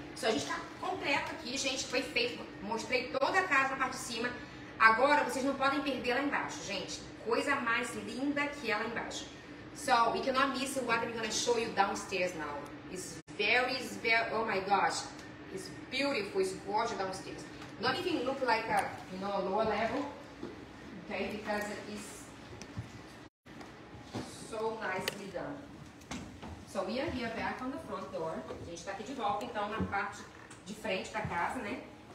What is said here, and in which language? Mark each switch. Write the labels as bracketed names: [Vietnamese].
[Portuguese] So a gente tá completo aqui, gente, foi feito, mostrei toda a casa na parte de cima. Agora vocês não podem perder lá embaixo, gente, coisa mais linda que é lá embaixo. [English] So, we cannot miss what I'm gonna show you downstairs now. It's very, very, oh my gosh. It's beautiful, it's gorgeous downstairs. Not even look like a, you know, a lower level. Okay, because it's so nicely done. So, we are here back on the front door. [Portuguese] A gente tá aqui de volta, então, na parte de frente da casa, né?